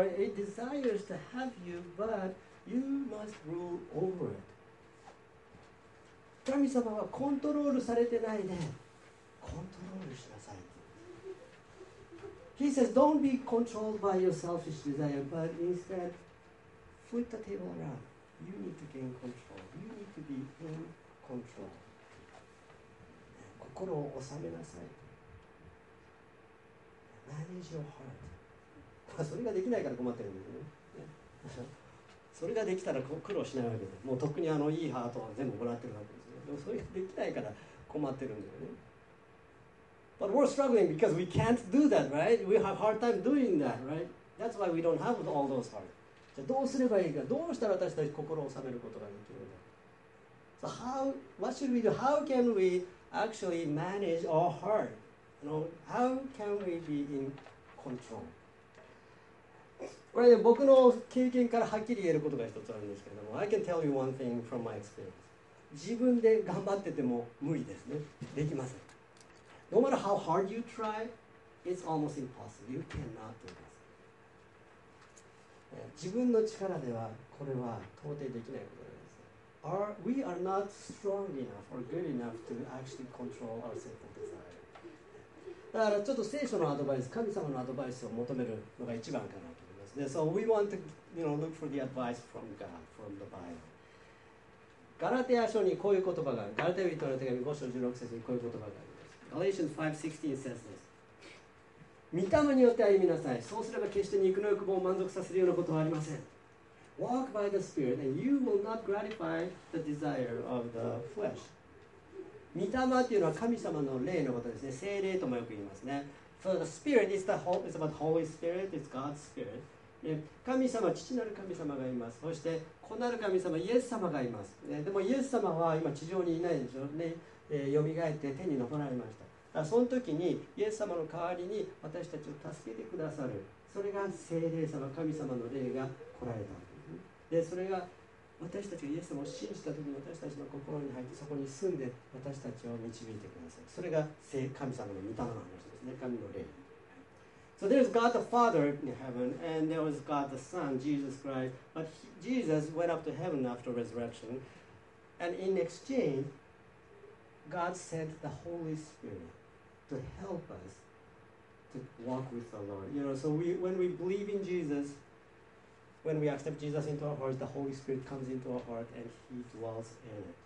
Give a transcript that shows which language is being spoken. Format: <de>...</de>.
<en>It desires to have you, but you must rule over it.</en> <ja>神様はコントロールされてないね。コントロールしなさい。</ja> <en>He says, don't be controlled by your selfish desire, but instead, flip the table around. You need to gain control. You need to be in control.</en> <ja>心を収めなさい。</ja> <en>Manage your heart.</en> <ja>それができないから困ってるんですよね。それができたら苦労しないわけで、もう特にあのいいハートは全部もらってるわけですよ。でもそれができないから困ってるんだよね。</ja> <en>But we're struggling because we can't do that, right? We have hard time doing that, right? That's why we don't have all those hearts.</en> <ja>じゃあどうすればいいか、どうしたら私たち心を収めることができるんだ。</ja> <en>So how? What should we do? How can we actually manage our heart? You know, how can we be in control?</en> <ja>これね、僕の経験からはっきり言えることが一つあるんですけれども、</ja> <en>I can tell you one thing from my experience.</en> <ja>自分で頑張ってても無理ですね。できません。</ja> <en>No matter how hard you try, it's almost impossible. You cannot do this.</en> <ja>自分の力ではこれは到底できないことです。</ja> <en>We are not strong enough or good enough to actually control our sinful desire.</en> <ja>だからちょっと聖書のアドバイス、神様のアドバイスを求めるのが一番かなと思います。</ja> <en>So we want to, you know, look for the advice from God, from the Bible.</en> <ja>ガラテヤ書にこういう言葉がある。ガラテヤ人の手紙5章16節にこういう言葉があります。</ja> <en>Galatians 5:16 says this.</en> <ja>御霊によって歩みなさい。そうすれば決して肉の欲望を満足させるようなことはありません。</ja> <en>Walk by the Spirit and you will not gratify the desire of the flesh.</en> <ja>御霊っていうのは神様の霊のことですね。聖霊ともよく言いますね。</ja> <en>So the Spirit is the whole, it's about Holy Spirit, it's God's Spirit.</en> <ja>神様、父なる神様がいます。そして子なる神様、イエス様がいます。でもイエス様は今地上にいないでしょうね。蘇って天に昇られました。だその時にイエス様の代わりに私たちを助けてくださる。それが聖霊様、神様の霊が来られた。でそれが私たちがイエス様を信じたときに私たちの心に入ってそこに住んで私たちを導いてください。それが神様の御霊の話ですね。神の霊。</ja> <en>So there's God the Father in heaven and there was God the Son, Jesus Christ. But Jesus went up to heaven after resurrection. And in exchange, God sent the Holy Spirit to help us to walk with the Lord. You know, so when we believe in Jesus, when we accept Jesus into our hearts, the Holy Spirit comes into our heart and He dwells in it.</en>